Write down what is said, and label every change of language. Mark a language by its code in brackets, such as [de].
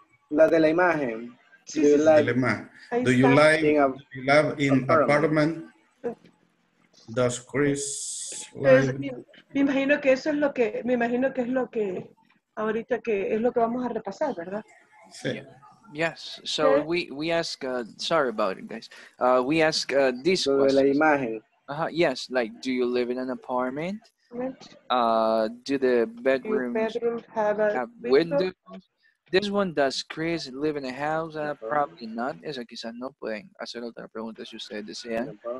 [es] Las de la imagen. Sí, sí, sí. De la imagen. [en] Do you live in apartment? Does Chris live? [es] Me imagino que eso es lo que, me imagino que es lo que, ahorita que es lo que vamos a repasar, ¿verdad? Sí. [en] Yes, so we ask, sorry about it, guys. We ask this question. [es] La imagen. [en] Yes, like, do you live in an apartment? Do the bedrooms have windows? This one, does Chris live in a house? Probably not. [es] Esa quizás no pueden hacer otra pregunta si ustedes desean.